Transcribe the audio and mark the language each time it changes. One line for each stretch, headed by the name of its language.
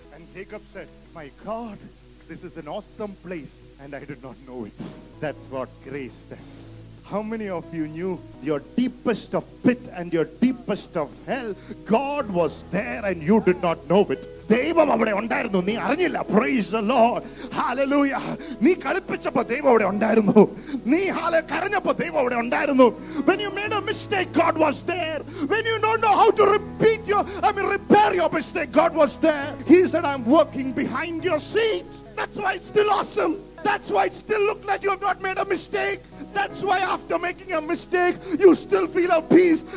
English: And Jacob said, my God, this is an awesome place and I did not know it. That's what grace does. How many of you knew your deepest of pit and your deepest of hell, God was there and you did not know it?
Malayalam: ദൈവം അവിടെ ഉണ്ടായിരുന്നു, നീ അറിഞ്ഞില്ല.
English: praise the Lord,
Malayalam: hallelujah. നീ കളിപ്പിച്ചപ്പോ ദൈവം അവിടെ ഉണ്ടായിരുന്നു. നീ ഹല്ലേലൂയ കരഞ്ഞപ്പോ ദൈവം അവിടെ ഉണ്ടായിരുന്നു.
English: When you made a mistake, God was there. When you don't know how to repair your mistake, God was there. He said, I'm working behind your seat. That's why it's still awesome. That's why it still looks like you have not made a mistake. That's why after making a mistake, you still feel a peace.